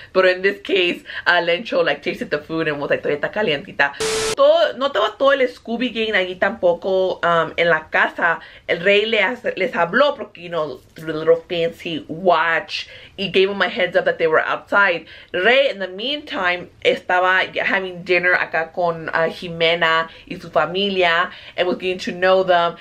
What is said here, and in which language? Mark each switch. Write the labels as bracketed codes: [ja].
[en] But in this case, Lencho, like, tasted the food and was like, todavía está calientita. [es] No estaba todo el Scooby Gang allí tampoco en la casa. [en] El rey les habló porque, you know, through the little fancy watch, he gave him a heads up that they were outside. Rey, in the meantime, estaba having dinner acá con Jimena y su familia and was getting to know them.